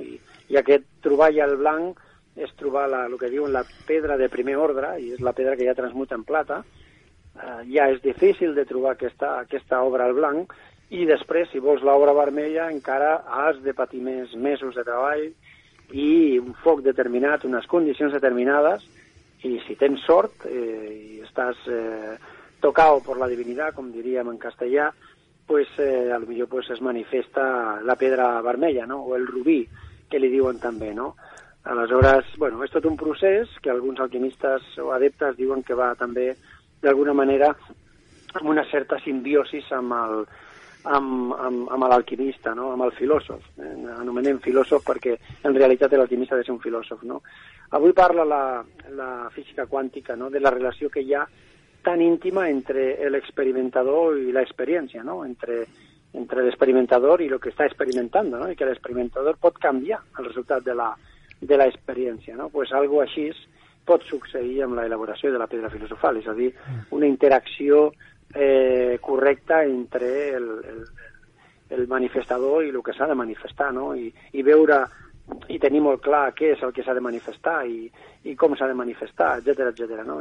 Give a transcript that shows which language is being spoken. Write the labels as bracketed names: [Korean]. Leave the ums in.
[Catalan] I, i aquest troball al blanc és trobar la, el que diuen la pedra de primer ordre, i és la pedra que ja transmuta en plata, eh, ja és difícil de trobar aquesta, aquesta obra al blanc, i després, si vols l'obra vermella, encara has de patir més mesos de treball i un foc determinat, unes condicions determinades, i si tens sort eh, i estàs eh, tocat per la divinitat, com diríem en castellà, pues eh, [Spanish] a lo mejor pues [Catalan] es manifesta la pedra vermella, ¿no? O el rubí, que li diuen també, ¿no? Aleshores, bueno, és tot un procés que alguns alquimistes o adeptes diuen que va també, d'alguna manera, amb una certa simbiosis amb el, amb, amb, amb l'alquimista, no? amb el filòsof. Eh, anomenem filòsof perquè en realitat l'alquimista ha de ser un filòsof. No? Avui parla la, la física quàntica no? de la relació que hi ha tan íntima entre [Spanish] el experimentador y la experiencia, [Catalan] ¿no? [Spanish] Entre, entre experimentador el experimentador y lo que está experimentando, ¿no? Y que el experimentador [Catalan] pot canviar el resultat de la, de la experiencia, ¿no? Pues algo així pot succeir amb la elaboració de la pedra filosofal, és a dir, una interacció eh, correcta entre el, el, el manifestador i el que s'ha de manifestar, no? I, i veure i tenir molt clar què és el que s'ha de manifestar i, i com s'ha de manifestar, etc etcètera, etcètera no?